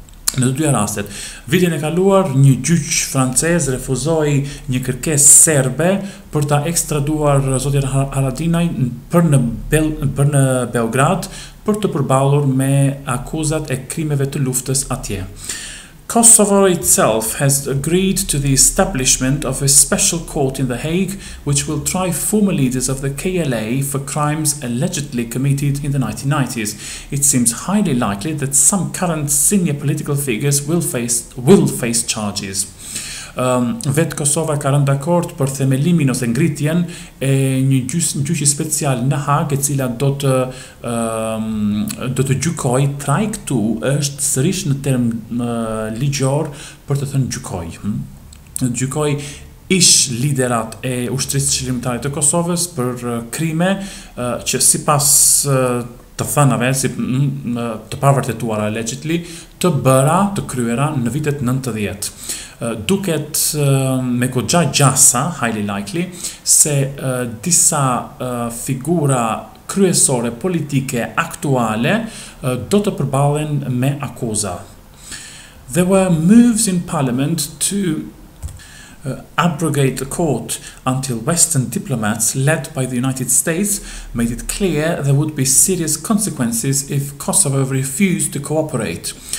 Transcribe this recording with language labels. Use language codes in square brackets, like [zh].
[sq] Në të dyja rastet, vitin e kaluar, një gjyq francez refuzoi një kërkesë serbe për ta ekstraduar zotin Haradinaj për në Beograd për të përballur me akuzat e krimeve të luftës atje. [en] Kosovo itself has agreed to the establishment of a special court in The Hague, which will try former leaders of the KLA for crimes allegedly committed in the 1990s. It seems highly likely that some current senior political figures will face charges. [sq] Vetë Kosova ka rënë dakord për themelimin ose ngritjen e një gjyqi special në Hagë, e cila do të gjykojë. Trajtu është sërish në term ligjor për të thënë gjykojë. Gjykojë ish liderat e ushtrisë qëllimtare të Kosovës për krime që sipas të thënave, të pavërtetuara [en] allegedly, [sq] të bëra, të kryera në vitet 90. Duket me kogja gjasa, [en] highly likely, [sq] se disa figura kryesore politike aktuale do të përballen me akuza. [en] There were moves in parliament to abrogate the court until Western diplomats led by the United States made it clear there would be serious consequences if Kosovo refused to cooperate.